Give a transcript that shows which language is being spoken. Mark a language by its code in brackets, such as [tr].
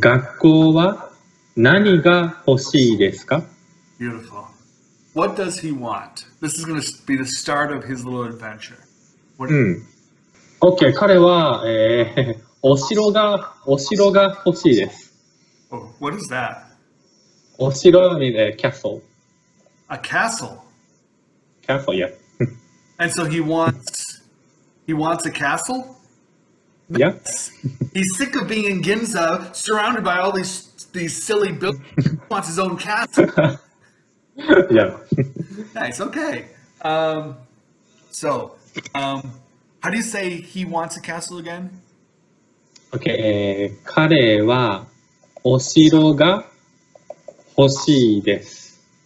[ja] 学校は何が欲しいですか [en] ?Beautiful. What does he want? This is going to be the start of his little adventure. What...、うん、OK。 [ja] 彼は、お城が欲しいです。 [en] Oh, what is that? [ja] お城は、castle。 [en] A castle? Castle, yeah. And so he wants a castle? Yeah. He's sick of being in Ginza, surrounded by all these silly buildings. He wants his own castle. Yeah. Nice. Okay. How do you say he wants a castle again? Okay. [ja] 彼はお城が欲しいです。